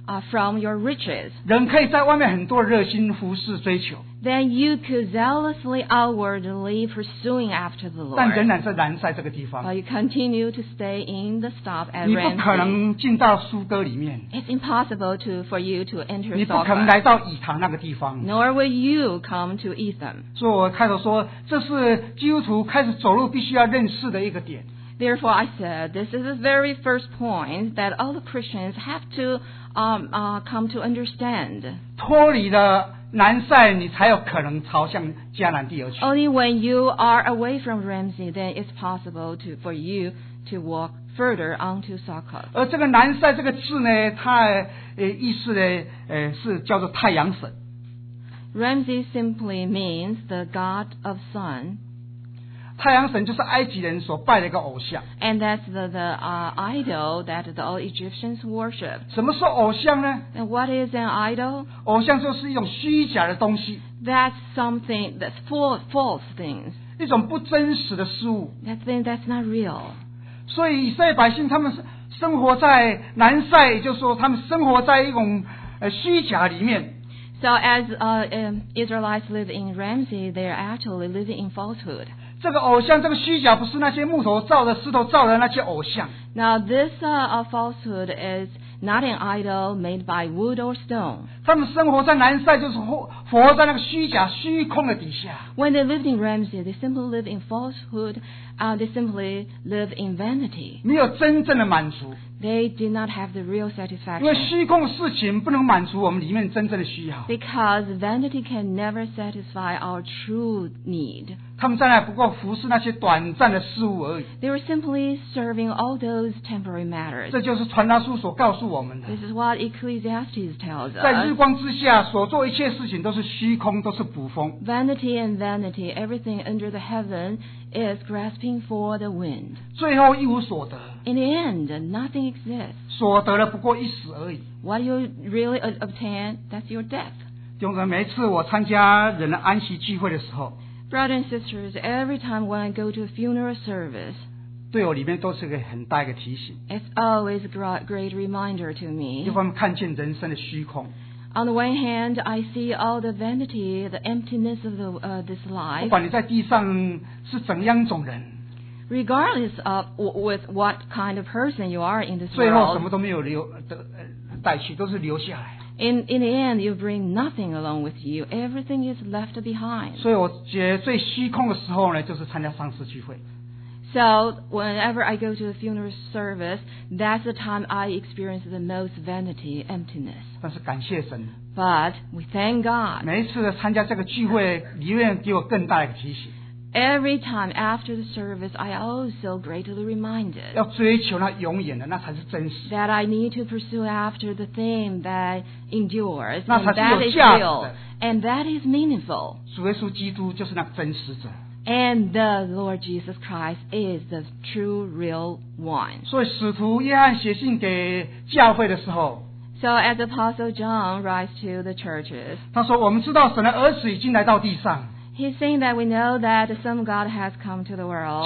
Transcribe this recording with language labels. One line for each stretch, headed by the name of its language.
English: from your riches.
Chinese: 人可以在外面很多热心服事追求。
English: Then you could zealously outwardly pursuing after the Lord.
Chinese: 但仍然在南塞这个地方。
English: But you continue to stay in the stop at
Chinese: Ramses. 你不可能进到苏哥里面。
English: It's impossible to, for you to enter
Chinese: Sophar. 你不可能来到以堂那个地方。
English: Nor will you come to Etham.
Chinese: 所以我开头说，这是基督徒开始走路必须要认识的一个点。
English: Therefore, I said, this is the very first point that all the Christians have to come to understand.
Chinese: 脱离了南塞，你才有可能朝向迦南地而去。
English: Only when you are away from Ramses, then it's possible to, for you to walk further onto Succoth.
Chinese: 而这个南塞这个字呢，它意思呢，是叫做太阳神。
English: Ramses simply means the god of sun.
Chinese: 太阳神就是埃及人所拜的一个偶像。
English: And that's the idol that the old Egyptians worship.
Chinese: 什么是偶像呢？
English: And what is an idol?
Chinese: 偶像就是一种虚假的东西。
English: That's something that's full of false things.
Chinese: 一种不真实的事物。
English: That thing that's not real.
Chinese: 所以以色列百姓他们生活在南塞，也就是说他们生活在一种虚假里面。
English: So as Israelites live in Ramses, they are actually living in falsehood.
Chinese: 这个偶像，这个虚假，不是那些木头造的、石头造的那些偶像。
English: Now this falsehood is not an idol made by wood or stone.
Chinese: 他们生活在南塞，就是活在那个虚假、虚空的底下。
English: When they lived in Ramses, they simply lived in falsehood. They simply lived in vanity.
Chinese: 没有真正的满足。
English: They did not have the real satisfaction.
Chinese: 因为虚空的事情不能满足我们里面真正的需要。
English: Because vanity can never satisfy our true need.
Chinese: 他们在那不过服侍那些短暂的事物而已。
English: They were simply serving all those temporary matters.
Chinese: 这就是传道书所告诉我们的。
English: This is what Ecclesiastes tells us.
Chinese: 在日光之下，所做一切事情都是虚空，都是捕风。
English: Vanity and vanity, everything under the heaven is grasping for the wind.
Chinese: 最后一无所得。
English: In the end, nothing exists.
Chinese: 所得了不过一死而已。
English: What you really obtain, that's your death.
Chinese: 弟兄们，每次我参加人的安息聚会的时候。
English: Brothers and sisters, every time when I go to a funeral service,
Chinese: 对我里面都是个很大一个提醒。
English: It's always a great reminder to me.
Chinese: 一方面看见人生的虚空。
English: On the one hand, I see all the vanity, the emptiness of this life.
Chinese: 不管你在地上是怎样一种人。
English: Regardless of with what kind of person you are in this world.
Chinese: 最后什么都没有留的带去，都是留下来。
English: In the end, you bring nothing along with you. Everything is left behind.
Chinese: 所以我觉得最虚空的时候呢，就是参加丧事聚会。
English: So whenever I go to a funeral service, that's the time I experience the most vanity, emptiness.
Chinese: 但是感谢神。
English: But we thank God.
Chinese: 每一次的参加这个聚会，里面给我更大的提醒。
English: Every time after the service, I also greatly reminded
Chinese: 要追求那永远的，那才是真实。
English: That I need to pursue after the thing that endures,
Chinese: 那才是有价值的。
English: And that is meaningful.
Chinese: 主耶稣基督就是那真实者。
English: And the Lord Jesus Christ is the true, real one.
Chinese: 所以使徒约翰写信给教会的时候。
English: So as Apostle John writes to the churches.
Chinese: 他说我们知道神的儿子已经来到地上。
English: He's saying that we know that the Son of God has come to the world.